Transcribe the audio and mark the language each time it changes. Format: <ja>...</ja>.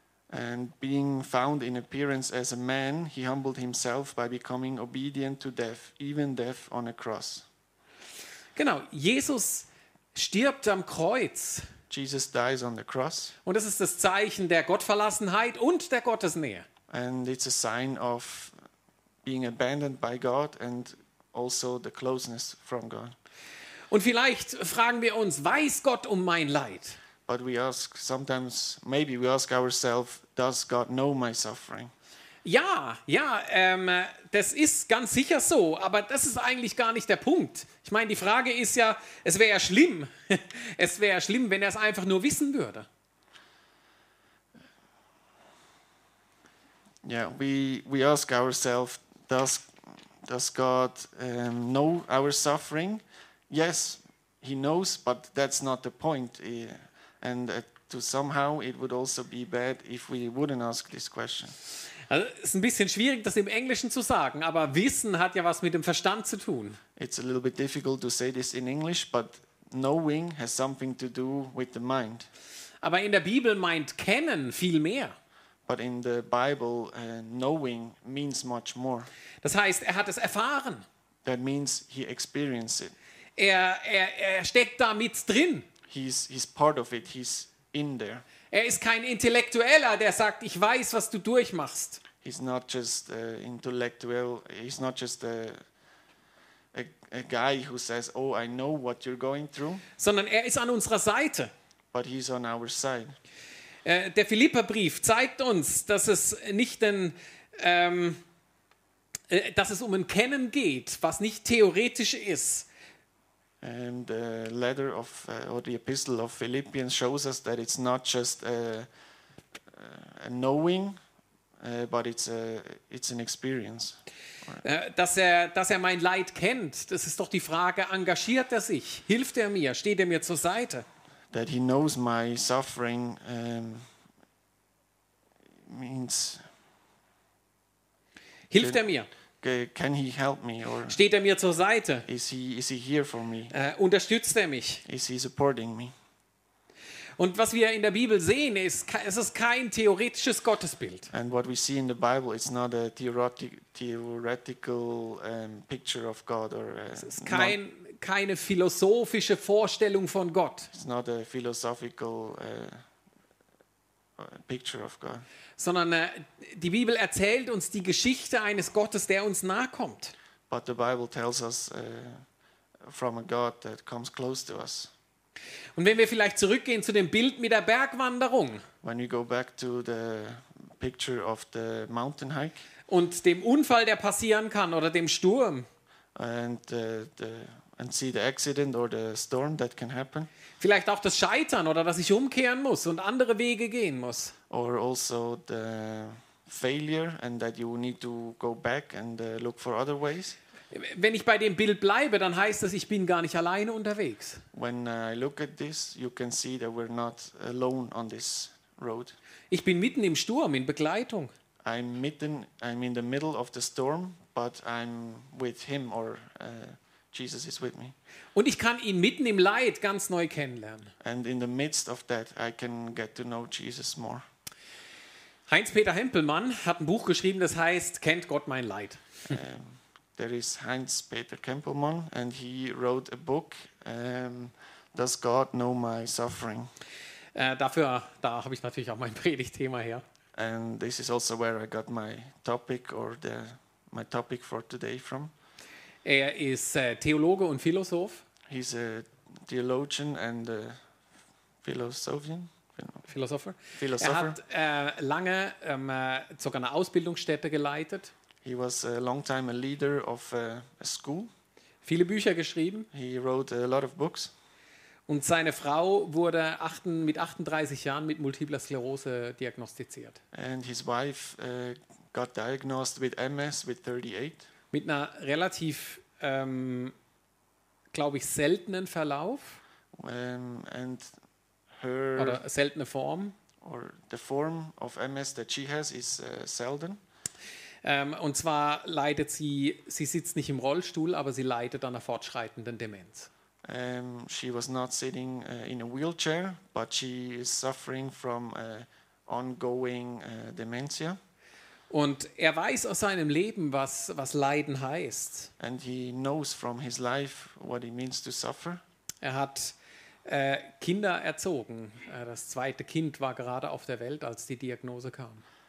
<en>And being found in appearance as a man, he humbled himself by becoming obedient to death, even death on a cross.</en> <de>Genau, Jesus stirbt am Kreuz.</de> <en>Jesus dies on the cross.</en> <de>Und das ist das Zeichen der Gottverlassenheit und der Gottesnähe.</de> <en>And it's a sign of being abandoned by God and also the closeness from God.</en> <de>Und vielleicht fragen wir uns, weiß Gott um mein Leid?</de> <en>But we ask sometimes, maybe we ask ourselves, does God know my suffering?</en> <de>Ja, das ist ganz sicher so, aber das ist eigentlich gar nicht der Punkt. Ich meine, die Frage ist ja, es wäre ja schlimm. Es wäre ja schlimm, wenn er es einfach nur wissen würde.</de> <en>Yeah, we ask ourselves, does God know our suffering? Yes, he knows, but that's not the point. And to somehow it would also be bad if we wouldn't ask this question.</en> <de>Also, es ist ein bisschen schwierig, das im Englischen zu sagen, aber Wissen hat ja was mit dem Verstand zu tun.</de> <en>It's a little bit difficult to say this in English, but knowing has something to do with the mind.</en> <de>Aber in der Bibel meint Kennen viel mehr.</de> <en>But in the Bible, knowing means much more.</en> <de>Das heißt, er hat es erfahren.</de> <en>That means he experienced it.</en> <de>Er steckt da mit drin.</de> <en>He's part of it. He's in there.</en> <de>Er ist kein Intellektueller, der sagt, ich weiß, was du durchmachst.</de> <en>He's not just intellectual. He's not just a guy who says, oh, I know what you're going through.</en> <de>Sondern er ist an unserer Seite.</de> <en>But he's on our side.</en> <de>Der Philipperbrief zeigt uns, dass es nicht ein dass es um ein Kennen geht, was nicht theoretisch ist.</de> <en>And the letter of or the epistle of Philippians shows us that it's not just a knowing, but it's an experience.</en> <de>Dass er mein Leid kennt, das ist doch die Frage, engagiert er sich? Hilft er mir? Steht er mir zur Seite?</de> <en>That he knows my suffering means</en> <de>hilft er mir?</de> <en>Can he help me, or</en> <de>steht er mir zur Seite?</de> <en>Is he here for me?</en> <de>Unterstützt er mich?</de> <en>Is he supporting me?</en> <de>Und was wir in der Bibel sehen, ist, es ist kein theoretisches Gottesbild.</de> <en>And what we see in the Bible, it's not a theoretical picture of God, or</en> <de>es ist keine philosophische Vorstellung von Gott.</de> <en>It's not a philosophical picture of God.</en> <de>Sondern die Bibel erzählt uns die Geschichte eines Gottes, der uns nahe kommt.</de> <en>But the Bible tells us from a God that comes close to us.</en> <de>Und wenn wir vielleicht zurückgehen zu dem Bild mit der Bergwanderung.</de> <en>When we go back to the picture of the mountain hike.</en> <de>Und dem Unfall, der passieren kann, oder dem Sturm.</de> <en>And see the accident or the storm that can happen.</en> <de>Vielleicht auch das Scheitern oder dass ich umkehren muss und andere Wege gehen muss.</de> <en>Or also the failure and that you need to go back and look for other ways.</en> <de>Wenn ich bei dem Bild bleibe, dann heißt das, ich bin gar nicht alleine unterwegs.</de> <en>When I look at this, you can see that we're not alone on this road.</en> <de>Ich bin mitten im Sturm in Begleitung.</de> <en>I'm in the middle of the storm, but I'm with him or Jesus is with me.</en> <de>Und ich kann ihn mitten im Leid ganz neu kennenlernen.</de> <en>And in the midst of that, I can get to know Jesus more.</en> <de>Heinz-Peter Hempelmann hat ein Buch geschrieben, das heißt "Kennt Gott mein Leid?"</de> <en>There is Heinz-Peter Hempelmann, and he wrote a book, "Does God Know My Suffering?"</en> <de>Da habe ich natürlich auch mein Predigtthema her.</de> <en>And this is also where I got my topic or my topic for today from.</en> <de>Er ist Theologe und Philosoph.</de> <en>He's a theologian and a philosophian. Philosopher.</en> <de>Philosopher. Er hat lange sogar eine Ausbildungsstätte geleitet.</de> <en>He was a long time a leader of a school.</en> <de>Viele Bücher geschrieben.</de> <en>He wrote a lot of books.</en> <de>Und seine Frau wurde mit 38 Jahren mit multipler Sklerose diagnostiziert.</de> <en>And his wife got diagnosed with MS with 38.</en> <de>Mit einer relativ, glaube ich, seltenen Verlauf. Oder seltene Form.</de> <en>Or the form of MS that she has is selden.</en> <de>Und zwar leidet sie sitzt nicht im Rollstuhl, aber sie leidet an einer fortschreitenden Demenz.</de> <en>She was not sitting in a wheelchair, but she is suffering from ongoing dementia.</en> <de>Und er weiß aus seinem Leben, was Leiden heißt.</de> <en>And he knows from his life what it means to suffer.</en> <de>Er hat Kinder erzogen. Das zweite Kind war gerade auf der Welt, als die Diagnose kam.</de>